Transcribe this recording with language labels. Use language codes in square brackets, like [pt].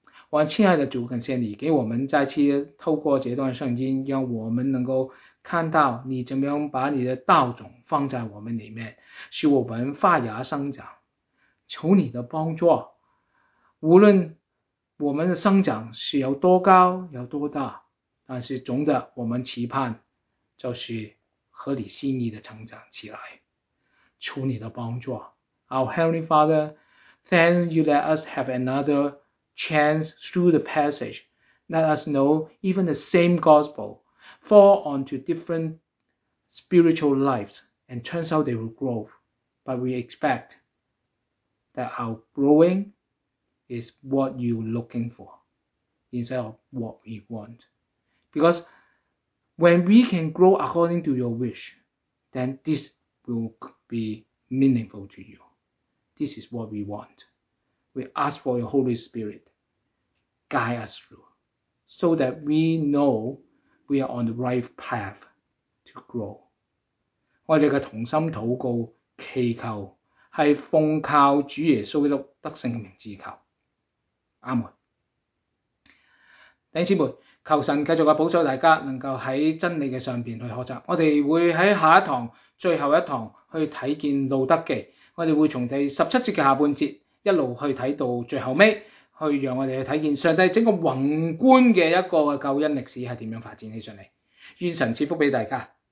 [zh] 我亲爱的主，感谢你给我们再次透过这段圣经，让我们能够看到你怎么样把你的道种放在我们里面，使我们发芽生长。求你的帮助，无论我们的生长是有多高有多大，但是总的我们期盼就是合理心意的成长起来。求你的帮助。 [en] Our Heavenly Father, thank you let us have another chance through the passage. Let us know even the same gospel fall onto different spiritual lives and turns out they will grow. But we expect that our growing is what you're looking for instead of what we want. Because when we can grow according to your wish, then this will be meaningful to you. This is what we want. We ask for your Holy Spirit, guide us through, so that we know we are on the right path to grow. [zh] 我们的同心祷告祈求是奉靠主耶稣基督得胜的名字求，阿门。弟兄姊妹，求神继续保守大家能够在真理的上面去学习。我们会在下一堂最后一堂去看见路德记，我们会从第十七节的下半节一路去看到最后尾，去让我们去看见上帝整个宏观的一个救恩历史是怎样发展起上来。愿神赐福给大家。